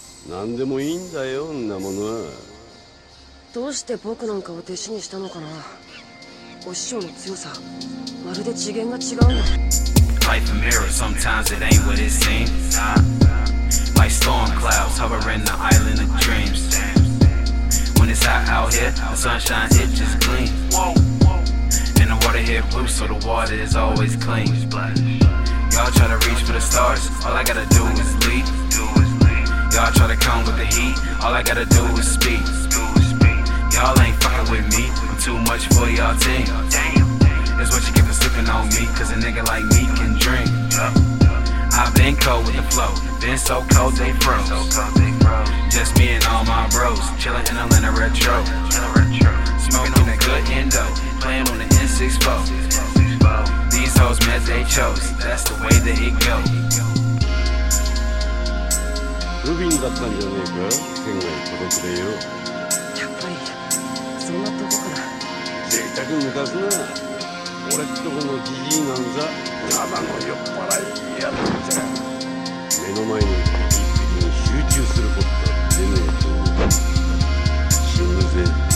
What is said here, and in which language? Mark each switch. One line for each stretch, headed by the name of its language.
Japanese: 何でもいいんだよ、んなものは。どうして僕なんかを弟子にしたのかな。お師匠の強さ、まるで次元が違うな。
English: Life a mirror, sometimes it ain't what it seems. Like storm clouds hovering the island of dreams. When it's hot out here, the sunshine it just gleams. And the water here blue, so the water is always clean. Y'all try to reach for the stars, all I gotta do is leap. Y'all try to come with the heat, all I gotta do is speak. Y'all ain't fucking with me, I'm too much for y'all team. That's what you get for slipping on me, cause a nigga like me can drink. I've been cold with the flow, been so cold they froze. Just me and all my bros, chillin' in Atlanta retro. Smokin' on that good endo, playin' on the N64. These hoes meant they chose, that's the way that it go.
Japanese: ルビンだったんじゃねえか、天外孤独でよ。やっぱりそんなとこかな。贅沢抜かすな。俺とこのジジイなんざただの酔っ払いやろ。目の前に一匹に集中することは出ねえと死ぬぜ。